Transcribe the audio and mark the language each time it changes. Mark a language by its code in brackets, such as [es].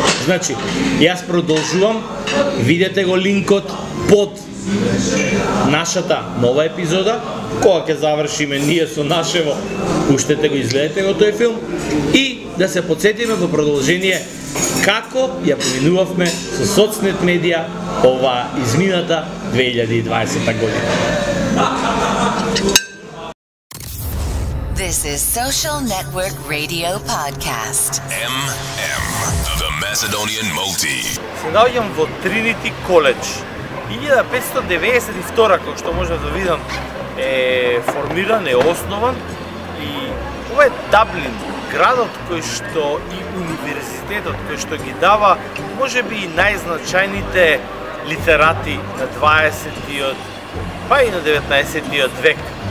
[mk] Значи, јас продолжувам, видете го линкот под нашата нова епизода, кога ќе завршиме ние со нашево, пуштете го, изгледете го тој филм и да се подсетиме во продолжение како ја поминувавме со соцнет медија ова измината 2020 година. [en] This is Social Network Radio Podcast. MM, the Macedonian Multi. [mk] Се наоѓам во Trinity College. 1592, како што можам да видам, е формиран, е основан. И ова е Даблин, градот кој што и универзитетот кој што ги дава, може би и најзначајните литерати на 20-тиот, па и на 19-тиот век.